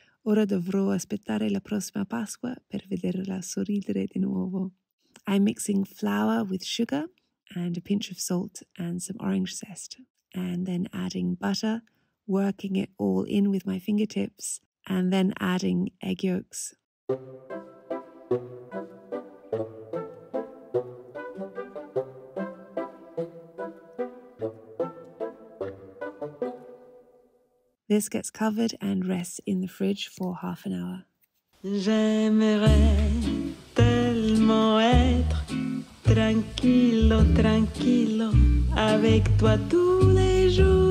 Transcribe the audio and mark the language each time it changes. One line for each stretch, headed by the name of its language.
Italian: Ora dovrò aspettare la prossima Pasqua per vederla sorridere di nuovo.
English: I'm mixing flour with sugar and a pinch of salt and some orange zest, and then adding butter, working it all in with my fingertips, and then adding egg yolks. This gets covered and rests in the fridge for half an hour.
French: J'aimerais tellement être
Italian: tranquillo, tranquillo
French: avec toi tous les jours.